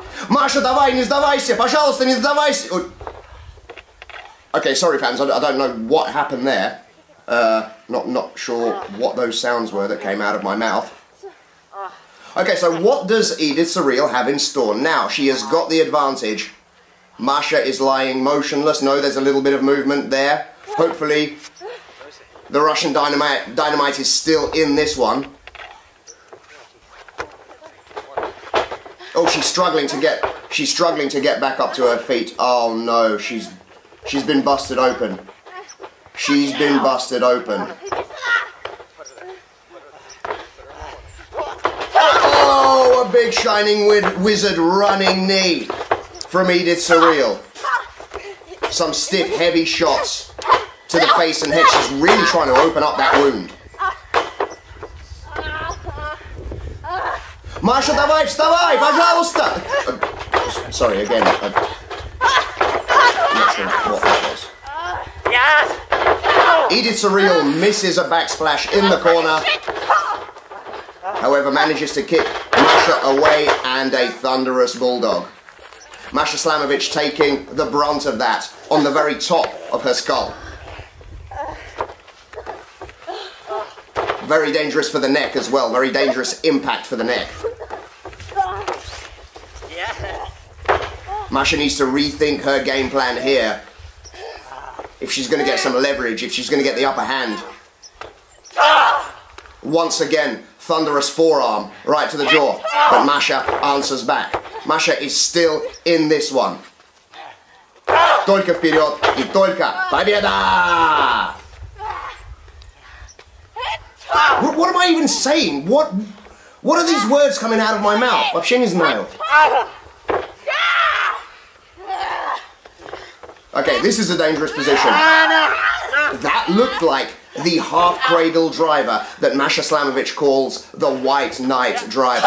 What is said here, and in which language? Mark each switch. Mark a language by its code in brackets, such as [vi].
[ru] Masha, давай, не сдавайся, пожалуйста, не сдавайся. [en] Okay, sorry fans, I don't know what happened there. Not sure what those sounds were that came out of my mouth. Okay, so what does Edith Surreal have in store now? She has got the advantage. Masha is lying motionless. No, there's a little bit of movement there. Hopefully, the Russian dynamite is still in this one. Oh, she's struggling to get She's struggling to get back up to her feet. Oh no, she's been busted open. She's been busted open. Oh, a big shining wizard running knee from Edith Surreal. Some stiff, heavy shots to the face and head. She's really trying to open up that wound. [ru] Masha, давай, вставай, пожалуйста! [en] Sorry, again. I'm not sure what that was. Edith Surreal misses a backsplash in the corner. However, manages to kick Masha away and a thunderous bulldog. Masha Slamovich taking the brunt of that on the very top of her skull. Very dangerous for the neck as well. Very dangerous impact for the neck. Masha needs to rethink her game plan here. If she's going to get some leverage, if she's going to get the upper hand. Once again, thunderous forearm right to the jaw. But Masha answers back. Masha is still in this one. [ru] Только вперед и только победа! [en] What am I even saying? What are these words coming out of my mouth? [ru] Вообще не знаю. [en] Okay, this is a dangerous position. That looked like the half cradle driver that Masha Slamovich calls the White Knight driver.